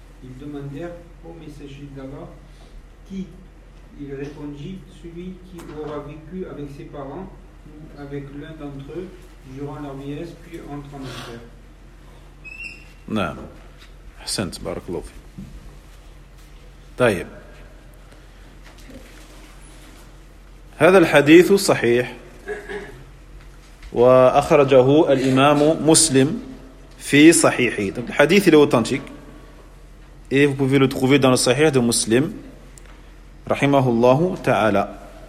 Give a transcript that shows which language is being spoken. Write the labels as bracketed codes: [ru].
[fr] Ils demandèrent au messager d'Allah qui. Il répondit celui qui aura vécu avec ses parents ou avec l'un d'entre eux durant leur vieillesse, puis entre en enfer. Non. Hassan, barakallahu fi. [ar] طيب هذا الحديث صحيح وأخرجه الإمام مسلم في صحيحه. [fr] Donc le hadith est authentique et vous pouvez le trouver dans le Sahih de Muslim rahimahullah ta'ala.